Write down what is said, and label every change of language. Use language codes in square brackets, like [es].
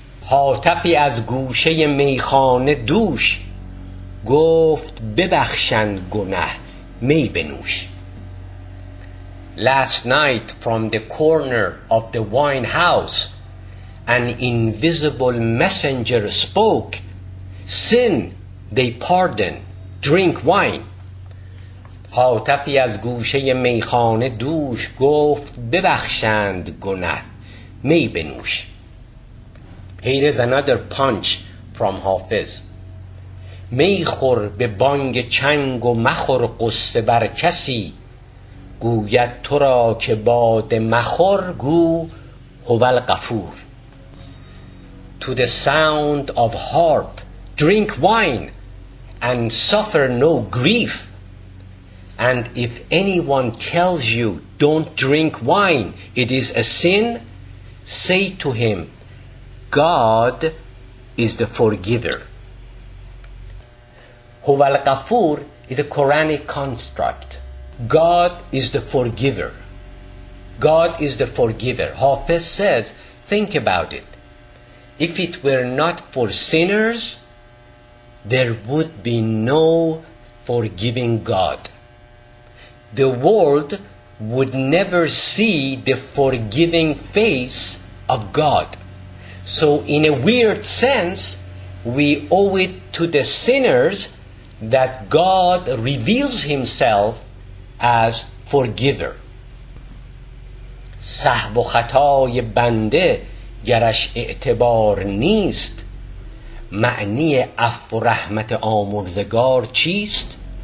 [fa] هاتفی از گوشه میخانه دوش گفت ببخشند گناه می بنوش. [en] Last night from the corner of the wine house an invisible messenger spoke, sin they pardon, drink wine. [fa] هاتفی از گوشه میخانه دوش گفت ببخشند گناه می بنوش. [en] Here is another punch from Hafiz. [fa] میخور به بانگ چنگ و مخور قصه بر کسی گوید تو را که باد مخور گو هو الغفور. [en] To the sound of harp, drink wine and suffer no grief. And if anyone tells you don't drink wine, it is a sin, say to him, God is the forgiver. [ar] هو الغفور [en] is a Quranic construct. God is the forgiver. God is the forgiver. Hafiz says, think about it. If it were not for sinners, there would be no forgiving God. The world would never see the forgiving face of God. So in a weird sense, we owe it to the sinners that God reveals himself as forgiver. [fa] سهو و خطای بنده گرش اعتبار نیست معنی عفو و رحمت آمرزگار چیست.